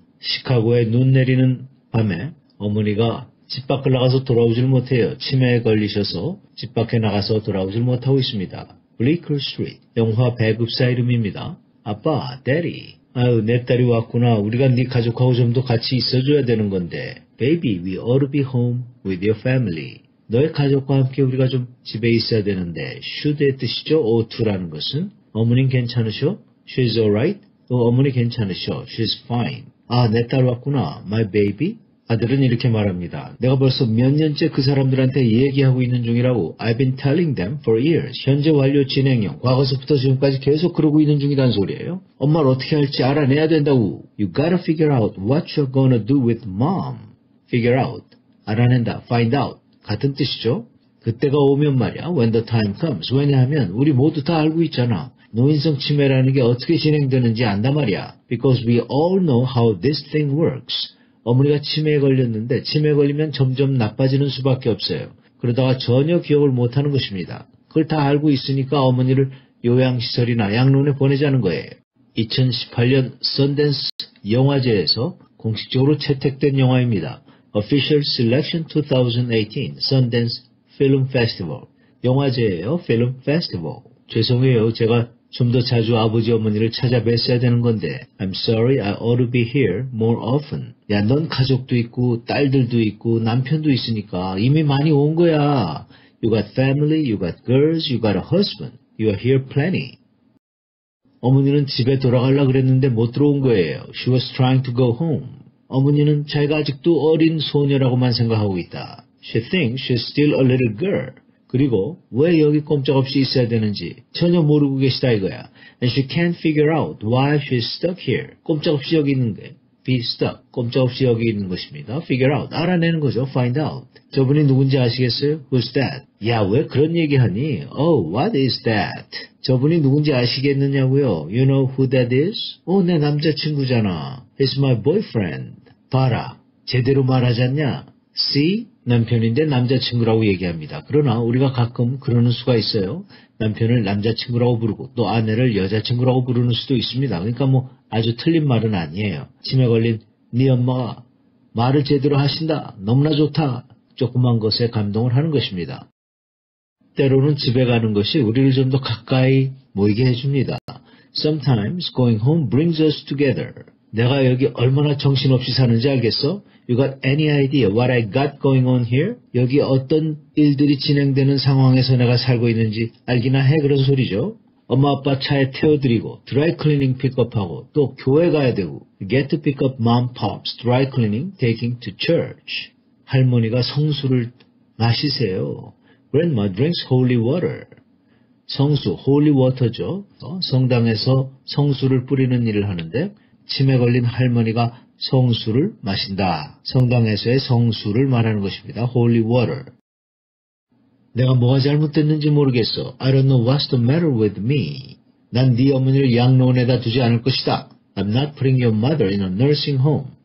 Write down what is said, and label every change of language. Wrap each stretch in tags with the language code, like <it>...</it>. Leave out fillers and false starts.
<ko>시카고에 눈 내리는 밤에 어머니가 집 밖을 나가서 돌아오질 못해요. 치매에 걸리셔서 집 밖에 나가서 돌아오질 못하고 있습니다. Bleecker Street, 영화 배급사 이름입니다. 아빠, Daddy. 아유, 내 딸이 왔구나. 우리가 네 가족하고 좀 더 같이 있어줘야 되는 건데.</ko> <en>Baby, we ought to be home with your family.</en> <ko>너의 가족과 함께 우리가 좀 집에 있어야 되는데. Should의 뜻이죠, ought to라는 것은. 어머님 괜찮으셔?</ko> <en>She's alright?</en> <ko>어머니 괜찮으셔?</ko> <en>She's fine.</en> <ko>아, 내 딸 왔구나.</ko> <en>My baby?</en> <ko>아들은 이렇게 말합니다. 내가 벌써 몇 년째 그 사람들한테 얘기하고 있는 중이라고.</ko> <en>I've been telling them for years.</en> <ko>현재 완료 진행형. 과거서부터 지금까지 계속 그러고 있는 중이란 소리예요. 엄마를 어떻게 할지 알아내야 된다고.</ko> <en>You gotta figure out what you're gonna do with mom. Figure out.</en> <ko>알아낸다.</ko> <en>Find out.</en> <ko>같은 뜻이죠. 그때가 오면 말이야.</ko> <en>When the time comes.</en> <ko>왜냐하면 우리 모두 다 알고 있잖아. 노인성 치매라는 게 어떻게 진행되는지 안다 말이야.</ko> <en>Because we all know how this thing works.</en> <ko>어머니가 치매에 걸렸는데 치매 걸리면 점점 나빠지는 수밖에 없어요. 그러다가 전혀 기억을 못하는 것입니다. 그걸 다 알고 있으니까 어머니를 요양시설이나 양론에 보내자는 거예요. 2018년 Sundance 영화제에서 공식적으로 채택된 영화입니다.</ko> <en>Official Selection 2018 Sundance Film Festival.</en> <ko>영화제예요.</ko> <en>Film Festival.</en> <ko>죄송해요. 제가 좀 더 자주 아버지 어머니를 찾아뵀어야 되는 건데</ko> <en>I'm sorry, I ought to be here more often.</en> <ko>야, 넌 가족도 있고 딸들도 있고 남편도 있으니까 이미 많이 온 거야.</ko> <en>You got family, you got girls, you got a husband. You are here plenty.</en> <ko>어머니는 집에 돌아가려고 그랬는데 못 들어온 거예요.</ko> <en>She was trying to go home.</en> <ko>어머니는 자기가 아직도 어린 소녀라고만 생각하고 있다.</ko> <en>She thinks she's still a little girl.</en> <ko>그리고 왜 여기 꼼짝없이 있어야 되는지 전혀 모르고 계시다 이거야.</ko> <en>And she can't figure out why she's stuck here.</en> <ko>꼼짝없이 여기 있는 게</ko> <en>be stuck.</en> <ko>꼼짝없이 여기 있는 것입니다.</ko> <en>Figure out.</en> <ko>알아내는 거죠.</ko> <en>Find out.</en> <ko>저분이 누군지 아시겠어요?</ko> <en>Who's that?</en> <ko>야, 왜 그런 얘기하니?</ko> <en>Oh, what is that?</en> <ko>저분이 누군지 아시겠느냐고요?</ko> <en>You know who that is?</en> <ko>오, 내 남자친구잖아.</ko> <en>He's my boyfriend.</en> <ko>봐라. 제대로 말하지 않냐?</ko> <en>See?</en> <ko>남편인데 남자친구라고 얘기합니다. 그러나 우리가 가끔 그러는 수가 있어요. 남편을 남자친구라고 부르고 또 아내를 여자친구라고 부르는 수도 있습니다. 그러니까 뭐 아주 틀린 말은 아니에요. 치매 걸린 네 엄마가 말을 제대로 하신다. 너무나 좋다. 조그만 것에 감동을 하는 것입니다. 때로는 집에 가는 것이 우리를 좀 더 가까이 모이게 해줍니다.</ko> <en>Sometimes going home brings us together.</en> <ko>내가 여기 얼마나 정신없이 사는지 알겠어?</ko> <en>You got any idea what I got going on here?</en> <ko>여기 어떤 일들이 진행되는 상황에서 내가 살고 있는지 알기나 해 그런 소리죠. 엄마 아빠 차에 태워드리고 드라이 클리닝 픽업하고 또 교회 가야 되고</ko> <en>get to pick up mom pops dry cleaning taking to church.</en> <ko>할머니가 성수를 마시세요.</ko> <en>Grandma drinks holy water. 성수 holy water죠.</en> <ko>성당에서 성수를 뿌리는 일을 하는데 치매 걸린 할머니가 성수를 마신다. 성당에서의 성수를 말하는 것입니다.</ko> <en>Holy water.</en> <ko>내가 뭐가 잘못됐는지 모르겠어.</ko> <en>I don't know what's the matter with me.</en> <ko>난 네 어머니를 양로원에다 두지 않을 것이다.</ko> <en>I'm not putting your mother in a nursing home.</en>